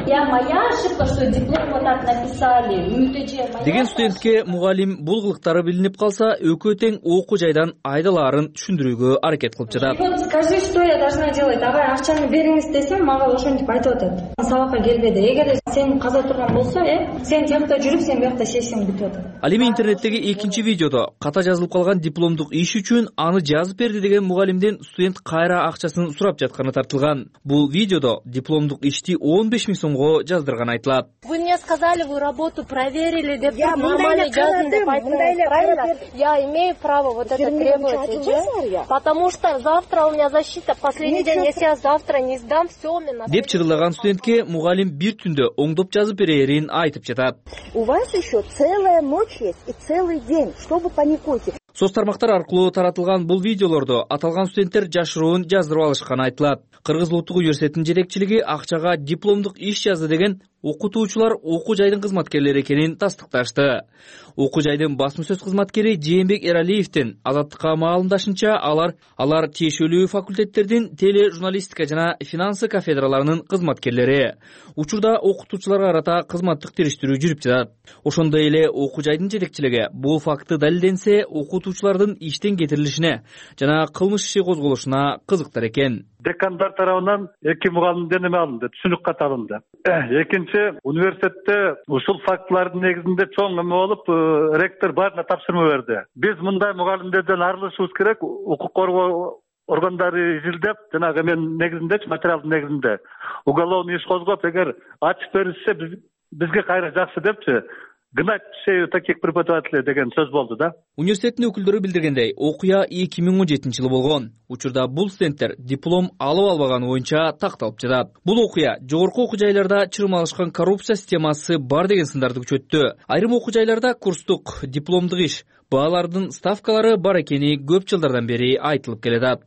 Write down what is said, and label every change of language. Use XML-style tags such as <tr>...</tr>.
<ru>Я моя ошибка, что диплом вот так написали.</ru> <ky>Үмүтөже моя. Деген студентке мугалим бул кылыктары билинип калса, экөө тең окуу жайдан айдаларын түшүндүрүүгө аракет кылып жатат.</ky> <ru>Вот скажи, что я должна делать? Давай,</ru> <ky>акчаны бериңиз десем, мага ошентип айтып атат. Сабакка келбеди. Эгер сен каза турган болсо, сен жакта жүрүп, сен бияқта сессиң бүтөт. Ал эми интернеттеги экинчи видеодо ката жазылып калган дипломдук иш үчүн аны жазып берди деген мугалимден студент кайра акчасын сурап жатканы тартылган. Бул видеодо дипломдук ишти 15 000 сомго жаздырганы айтылат.</ky> <ru>Вы мне сказали, вы работу проверили,</ru> <ky>деп нормально жаздым деп айтылат.</ky> <ru>Правильно? Я имею право вот это требовать. Потому что завтра у меня защита, последний день, если я завтра не сдам, все, мне надо.</ru> <ky>Деп чырылдаган студентке мугалим бир түндө оңдоп жазып берерин айтып жатат.</ky> <ru>У вас еще целая ночь есть и целый день, что вы паникуете?</ru> <ky>Соц тармактар аркылуу таратылган бул видеолордо аталган студенттер жашыруун жаздырып алышканы айтылат. Кыргыз Улуттук университетинин жетекчилиги акчага дипломдук иш жазды деген окутуучулар окуу жайдын кызматкерлери экенин тастыкташты. Окуу жайдын басма сөз кызматкери Жээнбек Эралиевдин Азаттыкка маалымдашынча, алар тиешелүү факультеттердин теле журналистика жана финансы кафедраларынын кызматкерлери. Учурда окутуучуларга карата кызматтык териштирүү жүрүп жатат. Ошондой эле окуу жайдын жетекчилиги бул факты далилденсе, окутуучулардын иштен кетирилишине жана кылмыш иши козголушуна кызыктар экен. Декандар тарабынан эки мугалимден эме алынды, түшүнүк кат алынды. Экинчи, университетте ушул фактылардын негизинде чоң эме болуп, ректор баарына тапшырма берди. Биз мындай мугалимдерден арылышыбыз керек, укук коргоо органдары изилдеп, жанагы эменин негизиндечи, материалдын негизинде уголовный иш козгоп, эгер ачып беришсе бизге кайра жакшы депчи.</ky> <ru>Таких преподавателей</ru> <ky>деген сөз болду да. Университеттин өкүлдөрү билдиргендей, окуя 2017 жылы болгон. Учурда бул студенттер диплом алып албаганы боюнча такталып жатат. Бул окуя жогорку окуу жайларда чырмалышкан коррупция системасы бар деген сындарды күчөттү. Айрым окуу жайларда курстук, дипломдук иш баалардын ставкалары бар экени көп жылдардан бери айтылып келедат.</ky>